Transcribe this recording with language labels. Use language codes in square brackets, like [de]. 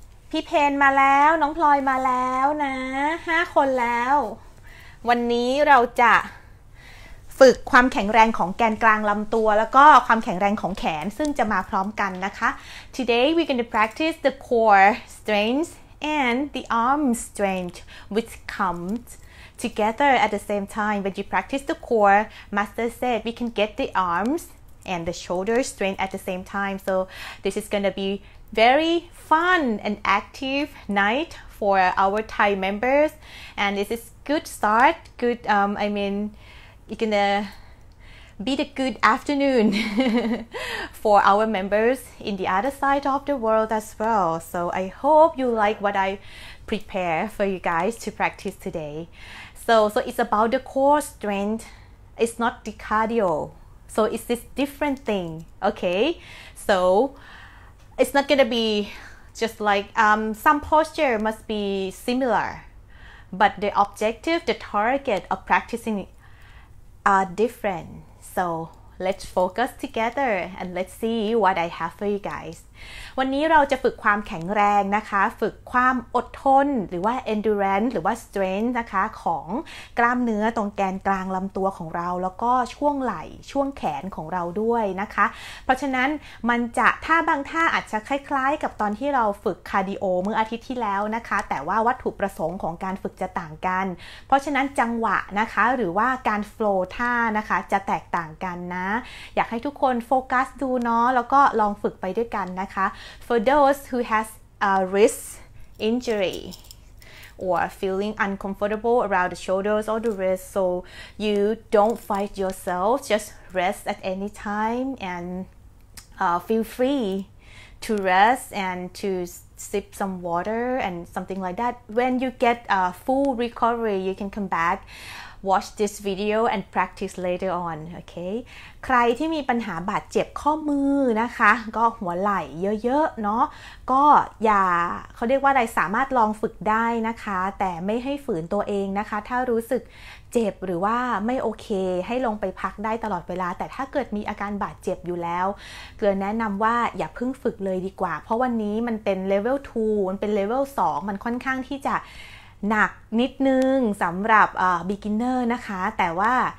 [th] พี่เพนมาแล้วน้องพลอยมาแล้วนะ5คนแล้ววันนี้เราจะฝึกความแข็งแรงของแกนกลางลำตัวแล้วก็ความแข็งแรงของแขนซึ่งจะมาพร้อมกันนะคะ [en] Today we're going to practice the core strengthAnd the arm strength, which comes together at the same time. When you practice the core, Master said we can get the arms and the shoulder strength at the same time. So this is going to be very fun and active night for our Thai members. And this is good start. Good, I mean, it's going to be the good afternoon for our members in the other side of the world as well. So I hope you like what I prepare for you guys to practice today. So it's about the core strength. It's not the cardio. So it's this different thing. Okay. So it's not going to be just like, some posture must be similar, but the objective, the target of practicing are different. So let's focus together and let's see what I have for you guys. [th] วันนี้เราจะฝึกความแข็งแรงนะคะฝึกความอดทนหรือว่า endurance หรือว่า strength นะคะของกล้ามเนื้อตรงแกนกลางลำตัวของเราแล้วก็ช่วงไหล่ช่วงแขนของเราด้วยนะคะเพราะฉะนั้นมันจะท่าบางท่าอาจจะคล้ายๆกับตอนที่เราฝึกคาร์ดิโอเมื่ออาทิตย์ที่แล้วนะคะแต่ว่าวัตถุประสงค์ของการฝึกจะต่างกัน เพราะฉะนั้นจังหวะนะคะหรือว่าการ flow ท่านะคะจะแตกต่างกันนะอยากให้ทุกคนโฟกัสดูเนาะแล้วก็ลองฝึกไปด้วยกันนะคะ [en] For those who has a wrist injury or feeling uncomfortable around the shoulders or the wrist, so you don't fight yourself, just rest at any time and feel free to rest and to sip some water and something like that. When you get a full recovery, you can come back. Watch this video and practice later on, okay? [th] ใครที่มีปัญหาบาดเจ็บข้อมือนะคะก็หัวไหล่เยอะๆเนาะก็อย่าเขาเรียกว่าอะไรสามารถลองฝึกได้นะคะแต่ไม่ให้ฝืนตัวเองนะคะถ้ารู้สึกเจ็บหรือว่าไม่โอเคให้ลงไปพักได้ตลอดเวลาแต่ถ้าเกิดมีอาการบาดเจ็บอยู่แล้วเกลือแนะนำว่าอย่าเพิ่งฝึกเลยดีกว่าเพราะวันนี้มันเป็นเลเวล2มันเป็นเลเวล2มันค่อนข้างที่จะหนักนิดนึงสำหรับbeginner นะคะแต่ว่า